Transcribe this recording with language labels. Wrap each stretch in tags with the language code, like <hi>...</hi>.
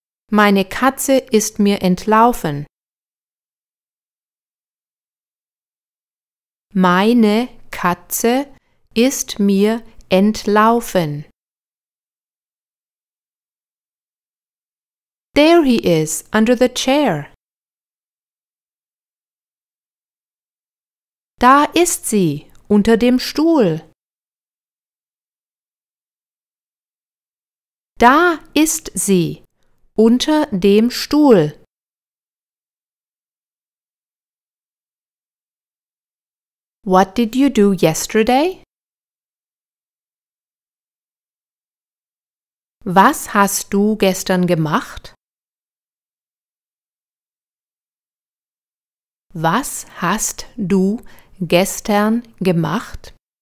<de>Meine Katze ist mir entlaufen. Meine Katze ist mir entlaufen.</de> <en>There he is, under the chair.</en> <de>Da ist sie, unter dem Stuhl. Da ist sie, unter dem Stuhl.</de> <en>What did you do yesterday?</en> <de>Was hast du gestern gemacht? Was hast du gestern gemacht?</de>